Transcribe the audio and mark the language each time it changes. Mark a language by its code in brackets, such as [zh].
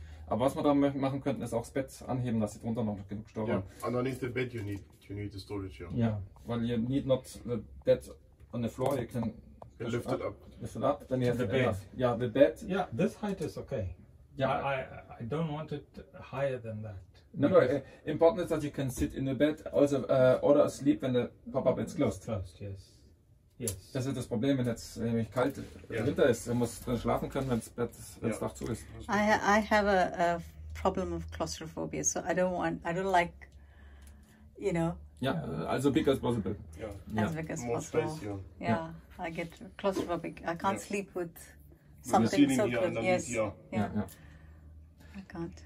[de] Aber was wir da machen könnten, ist auch das Bett anheben, dass sie drunter noch genug Stauraum haben. [en] Yeah. Underneath the bed you need the storage, yeah. Yeah. Well, you need not the bed on the floor, you can lift it up. Lift it up, then you have the bed. Yeah, the bed. Yeah, this height is okay. Yeah. I don't want it higher than that. No. Important is that you can sit in the bed, also order a sleep when the pop-up is closed. Closed, yes. Yes. [de] Das ist das Problem, wenn es nämlich kalt Winter ist. Man muss drin schlafen können, wenn das Dach zu ist. [en] I have a problem of claustrophobia, so I don't like, you know. [de] Ja, also [en] big as possible. Yeah. As big as more possible. Space, I get claustrophobic. I can't sleep with something so good. Yes. Yeah. I can't.